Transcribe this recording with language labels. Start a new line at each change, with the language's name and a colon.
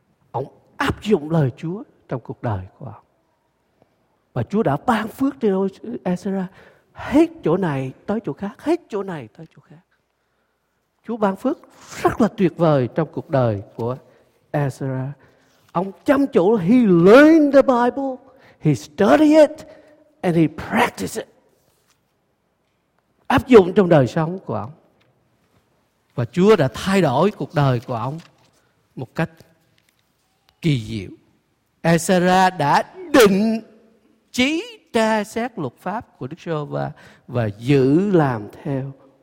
Vietnamese: Ông áp dụng lời Chúa trong cuộc đời của ông. Và Chúa đã ban phước cho Ezra hết chỗ này tới chỗ khác, hết chỗ này tới chỗ khác. Chúa ban phước rất là tuyệt vời trong cuộc đời của Ezra. Ông chăm chỗ,
English: he learned the Bible, he studied it, and he practiced it.
Vietnamese: Áp dụng trong đời sống của ông. Và Chúa đã thay đổi cuộc đời của ông một cách kỳ diệu. Ezra đã định chí tra xét luật pháp của Đức Giê-hô-va và giữ làm theo.